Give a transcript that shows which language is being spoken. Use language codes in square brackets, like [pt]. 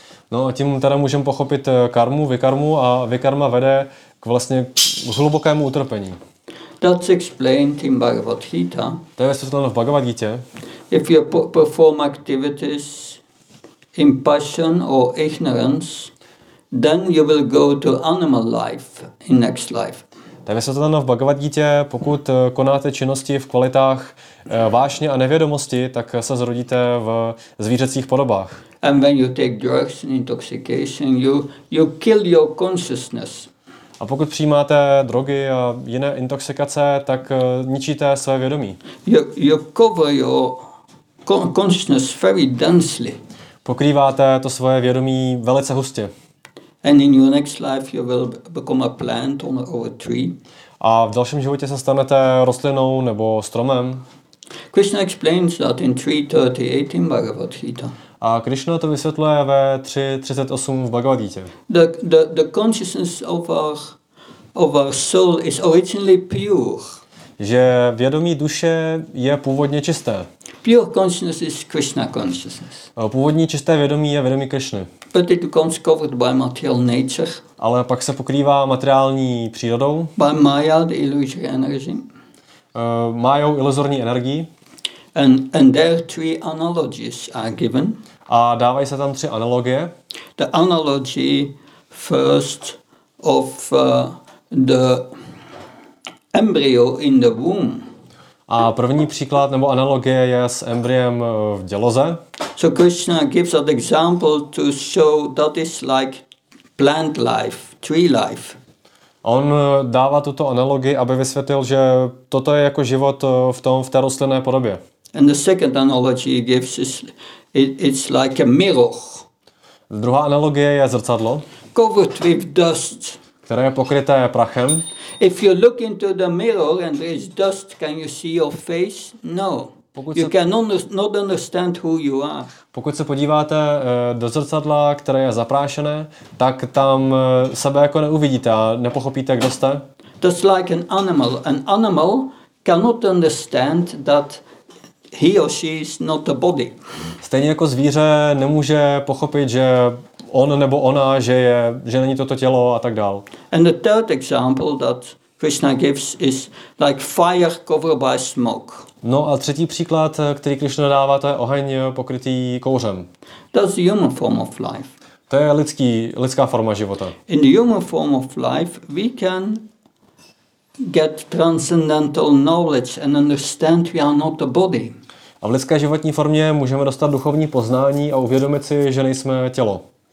[cs] No a tím teda můžeme pochopit karmu, vikarmu, a vikarma vede k vlastně k hlubokému utrpení. [en] That's explained in Bhagavad-gita. [cs] To je vysvětleno v Bhagavad-gítě. [en] If you perform activities in passion or ignorance, then you will go to animal life in next life. [cs] Tak je vysvětleno v Bhagavad-gítě, pokud konáte činnosti v kvalitách vášně a nevědomosti, tak se zrodíte v zvířecích podobách. [en] And when you take drugs and intoxication, you kill your consciousness. [cs] A pokud přijímáte drogy a jiné intoxikace, tak ničíte své vědomí. [en] You cover your consciousness very densely. [cs] Pokrýváte to svoje vědomí velice hustě. [en] And in your next life you will become a plant or a tree. [cs] A v dalším životě se stanete rostlinou nebo stromem. [en] Krishna explains that in 3:38 in Bhagavad-gita. [cs] A Krishna to vysvětluje ve 3:38 v Bhagavad-gítě. [en] The consciousness of our soul is originally pure. [cs] Že vědomí duše je původně čisté. [en] Pure consciousness is Krishna consciousness. [cs] A původní čisté vědomí je vědomí Krishny. [en] But it becomes covered by material nature. [cs] Ale pak se pokrývá materiální přírodou. [en] By Maya, the illusory energy. [cs] Mayou iluzorní energii. [en] And there three analogies are given. [cs] A dávají se tam tři analogie. [en] The analogy first of the embryo in the womb. [cs] A první příklad nebo analogie je s embryem v děloze. [en] So Krishna gives an example to show that is like plant life, tree life. [cs] On dává tuto analogii, aby vysvětlil, že toto je jako život v té rostlinné podobě. [en] And the second analogy he gives is it's like a mirror. [cs] Druhá analogie je zrcadlo. [en] Covered with dust. [cs] Které je pokryté prachem. [en] If you look into the mirror and there is dust, can you see your face? No. You cannot understand who you are. [cs] Pokud se podíváte do zrcadla, které je zaprášené, tak tam sebe jako neuvidíte a nepochopíte, kdo jste. [en] That's like an animal. An animal cannot understand that he or she is not a body. [cs] Stejně jako zvíře nemůže pochopit, že on nebo ona, že není toto tělo a tak dál. [en] And the third example that Krishna gives is like fire covered by smoke. [cs] No a třetí příklad, který Krishna dává, to je oheň pokrytý kouřem. [en] That's the human form of life. [cs] To je lidská forma života. [en] In the human form of life, we can get transcendental knowledge and understand we are not the body. [cs] A v lidské životní formě můžeme dostat duchovní poznání a uvědomit si, že nejsme tělo.